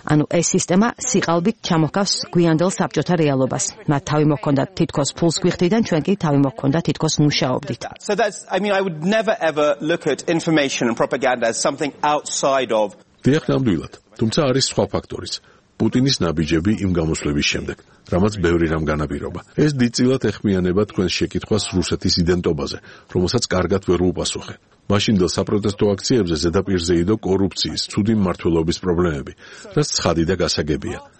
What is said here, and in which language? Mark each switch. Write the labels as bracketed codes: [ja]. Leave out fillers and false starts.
[ka] ანუ ეს სისტემა სიყალბით ჩამოყავს გვიანდელ საბჭოთა რეალობას. მათ თავი მოგochondათ თითქოს ფულს გიხდიდან, ჩვენ კი თავი მოგochondათ თითქოს მუშაობდით. [en] So that's, I would never ever look at information and propaganda as something outside of. [ka] დიახ, ნამდვილად. თუმცა არის სხვა ფაქტორიც. პუტინის ნაბიჯები იმ გამოსვლების შემდეგ, რამაც ბევრი რამ განაპირობა. ეს დიდწილად ეხმიანება თქვენს შეკითხვას რუსეთის იდენტობაზე, რომელსაც კარგად ვერ უპასუხე. მაშინდელ საპროტესტო აქციებზე ზედაპირზე იდო კორუფციის, ცუდი მმართველობის პრობლემები, რაც ცხადი და გასაგებია.